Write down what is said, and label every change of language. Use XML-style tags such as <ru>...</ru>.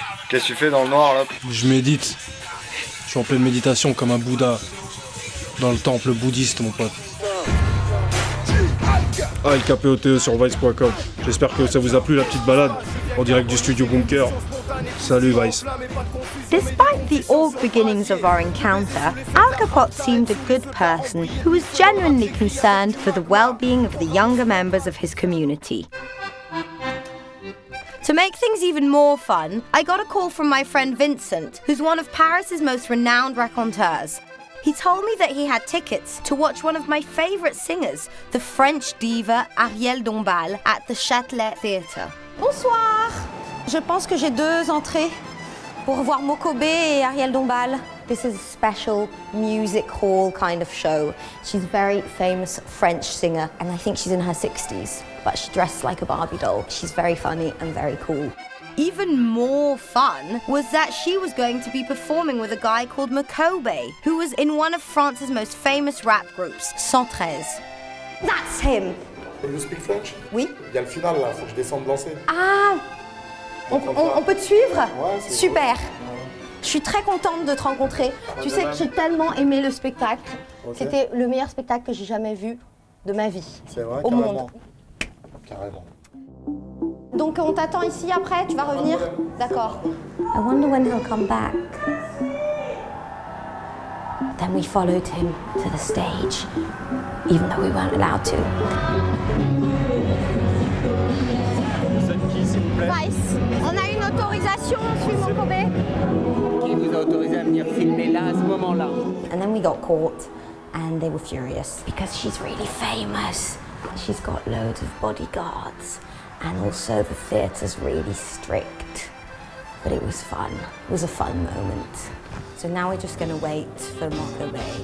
<fr>Qu'est-ce que tu fais dans le noir, là ? Je médite. Je suis en pleine méditation comme un Bouddha dans le temple bouddhiste, mon pote. AlKpote sur Vice.com. J'espère que ça vous a plu, la petite balade en direct du studio Bunker. Salut Vice.</fr> <en>Despite the old beginnings of our encounter, AlKpote seemed a good person who was genuinely concerned for the well-being of the younger members of his community. To make things even more fun, I got a call from my friend Vincent, who's one of Paris's most renowned raconteurs. He told me that he had tickets to watch one of my favorite singers, the French diva Ariel Dombal, at the Châtelet Theatre.</en> <fr>Bonsoir! Je pense que j'ai deux entrées pour voir Mokobe et Ariel Dombal.</fr> <en>This is a special music hall kind of show. She's a very famous French singer, and I think she's in her 60s. But she dressed like a Barbie doll. She's very funny and very cool. Even more fun was that she was going to be performing with a guy called Mokobe, who was in one of France's most famous rap groups, 113. That's him! You speak French?</en> <fr>Oui. Il y a le final là, faut que je descende danser. Ah! On peut te suivre? Ouais, c'est super! Cool. Je suis très contente de te rencontrer. Ouais, tu sais que j'ai tellement aimé le spectacle. Okay. C'était le meilleur spectacle que j'ai jamais vu de ma vie. C'est vrai, au carrément. Monde. Donc on t'attend ici après, tu vas revenir? D'accord.</fr> <en>I wonder when he'll come back. Then we followed him to the stage, even though we weren't allowed to.</en> <fr>Vice, on a une autorisation, on suit Mokobé. Qui vous a autorisé à venir filmer là, à ce moment-là?</fr> <en>And then we got caught, and they were furious, because she's really famous. She's got loads of bodyguards, and also the theatre's really strict. But it was fun. It was a fun moment. So now we're just gonna wait for Mokobé.</en>